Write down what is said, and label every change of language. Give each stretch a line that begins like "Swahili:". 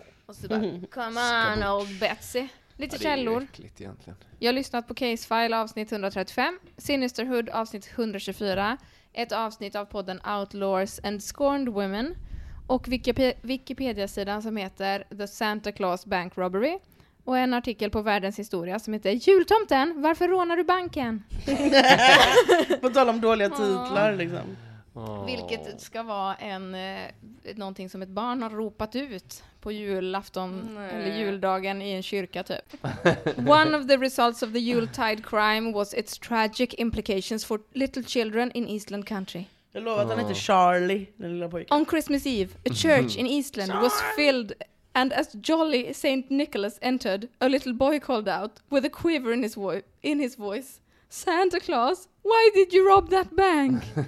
Swedish: Och så bara,
English: come on, old Betsy.
Swedish: Lite ja, källor. Äckligt, egentligen. Jag har lyssnat på Case File avsnitt 135, Sinisterhood avsnitt 124, ett avsnitt av podden Outlaws and Scorned Women och Wikipedia-sidan som heter The Santa Claus Bank Robbery. Och en artikel på Världens historia som heter Jultomten, varför rånar du banken? På tal om dåliga titlar liksom. Vilket ska vara en någonting som ett barn har ropat ut på julafton eller juldagen i en kyrka typ.
English: One of the results of the Yuletide crime was its tragic implications for little children in Eastland country.
Swedish: Jag lovar att han heter Charlie, den lilla pojken.
English: On Christmas Eve, a church in Eastland was filled. And as jolly Saint Nicholas entered, a little boy called out with a quiver in his voice, Santa Claus, why did you rob that bank?